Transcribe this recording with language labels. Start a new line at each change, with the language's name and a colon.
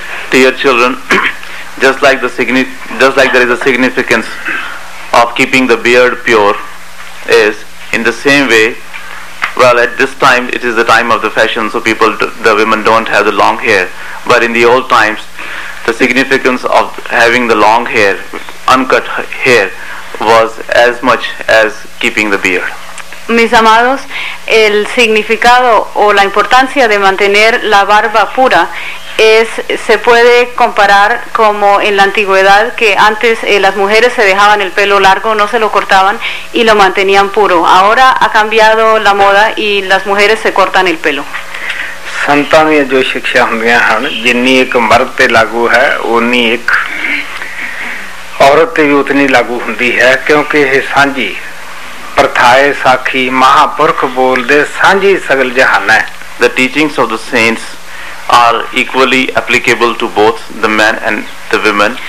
English: Dear children just like there is a significance of keeping the beard pure is in the same way well at this time it is the time of the fashion so people the women don't have the long hair but in the old times the significance of having the long hair uncut hair was as much as keeping the beard.
Spanish: Mis amados, el significado o la importancia de mantener la barba pura es se puede comparar como en la antigüedad que antes las mujeres se dejaban el pelo largo, no se lo cortaban y lo mantenían puro. Ahora ha cambiado la moda y las mujeres se cortan el pelo.
Punjabi: ਸੰਤਾਂ ਦੀਆਂ ਜੋ ਸਿੱਖਿਆ ਹੁੰਦੀਆਂ ਹਨ ਜਿੰਨੀ ਇੱਕ ਮਰਦ ਤੇ ਲਾਗੂ ਹੈ ਓਨੀ ਇੱਕ ਔਰਤ 'ਤੇ ਵੀ ਉਤਨੀ ਲਾਗੂ ਹੁੰਦੀ ਹੈ ਕਿਉਂਕਿ ਇਹ ਸਾਂਝੀ ਪ੍ਰਥਾਏ ਸਾਖੀ ਮਹਾਂਪੁਰਖ ਬੋਲਦੇ ਸਾਂਝੀ ਸਗਲ ਜਹਾਨ ਹੈ
English: the teachings of the saints are equally applicable to both the man and the women